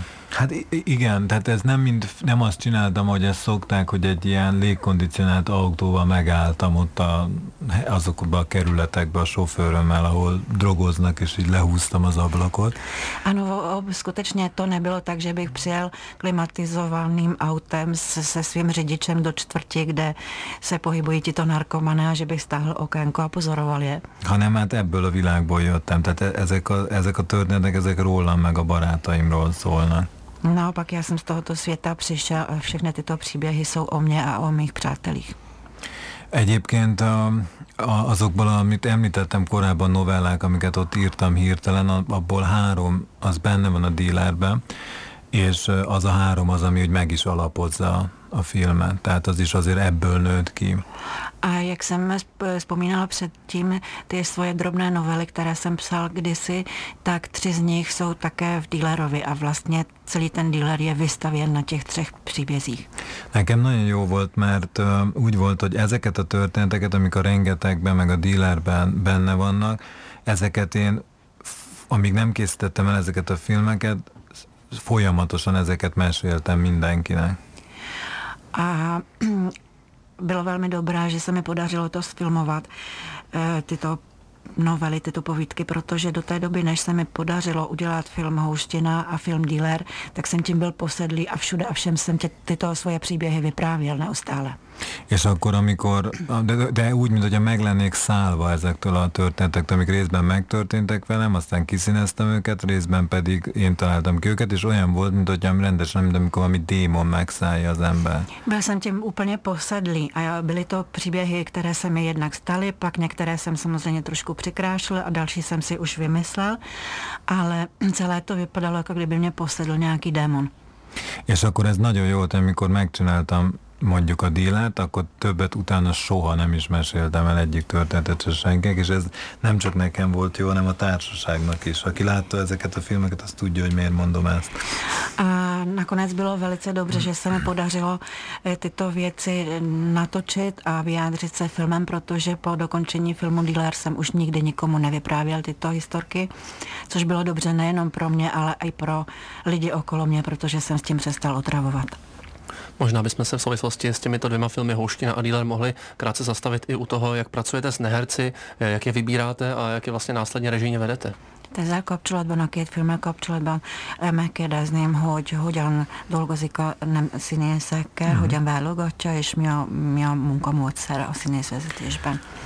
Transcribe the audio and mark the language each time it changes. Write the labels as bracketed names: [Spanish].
[Hungarian] Hát igen, tehát ez nem azt csináltam, hogy ezt szokták, hogy egy ilyen légkondicionált autóval megálltam ott azokban a kerületekben a sofőrömmel, ahol drogoznak, és így lehúztam az ablakot. [Czech] Ano, skutečně to nebylo tak, že bych přijel klimatizovaným autem se svým řidičem do čtvrti, kde se pohybují tito narkomané, a že bych stáhl okénko a pozoroval je. [Hungarian] Hanem hát ebből a világból jöttem, tehát ezek a történetek, ezek rólam meg a barátaimról szólnak. [Czech] Naopak, já jsem z tohoto světa přišel a všechny tyto příběhy jsou o mě a o mých přátelích. [Hungarian] Egyébként azokból, amit említettem korábban, novellák, amiket ott írtam hirtelen, abból három, az benne van a dílerben, és az a három az, ami úgy meg is alapozza a filmet. Tehát az is azért ebből nőtt ki. [Czech] A jak jsem vzpomínala předtím, ty svoje drobné novely, které jsem psal kdysi, tak tři z nich jsou také v dílerovi a vlastně celý ten díler je vystavěn na těch třech příbězích. [Hungarian] Nekem nagyon jó volt, mert úgy volt, hogy ezeket a történeteket, amik a rengetegben, meg a dílerben benne vannak, ezeket én, amíg nem készítettem el ezeket a filmeket, folyamatosan ezeket meséltem mindenkinek. [Czech] A bylo velmi dobré, že se mi podařilo to sfilmovat, tyto novely, tyto povídky, protože do té doby, než se mi podařilo udělat film Houština a film Dealer, tak jsem tím byl posedlý a všude a všem jsem tyto svoje příběhy vyprávěl neustále. [Hungarian] És akkor, amikor, de úgy, mint hogyha meg lennék szálva ezektől a történetektől, amik részben megtörténtek velem, aztán kiszíneztem őket, részben pedig én találtam ki őket, és olyan volt, mint hogyha rendesen, mint amikor valami démon megszállja az ember. [Czech] Byl jsem tím úplně posedlý a byly to příběhy, které se mi jednak staly, pak některé jsem samozřejmě trošku přikrášl a další jsem si už vymyslel, ale celé to vypadalo, jako kdyby mě posedl nějaký démon. [Hungarian] És akkor ez nagyon jó, amikor megcsináltam mondjuk a dílát, akkor többet utána soha nem is meséltem el egyik történetet se senkinek, és ez nem csak nekem volt jó, hanem a társaságnak is. Aki látta ezeket a filmeket, az tudja, hogy miért mondom ezt. [Czech] A nakonec bylo velice dobře, že se mi podařilo tyto věci natočit a vyjádřit se filmem, protože po dokončení filmu Dealer jsem už nikdy nikomu nevyprávěl tyto historky, což bylo dobře nejenom pro mě, ale i pro lidi okolo mě, protože jsem s tím přestal otravovat. Možná bychom se v souvislosti s těmito dvěma filmy Houština a Dealer mohli krátce zastavit i u toho, jak pracujete s neherci, jak je vybíráte a jak je vlastně následně režijně vedete. [Hungarian] Tehát kapcsolatban a két filmmel kapcsolatban megkérdezném, hogy hogyan dolgozik a színészekkel, hogyan válogatja és mi a munkamódszer a színészvezetésben.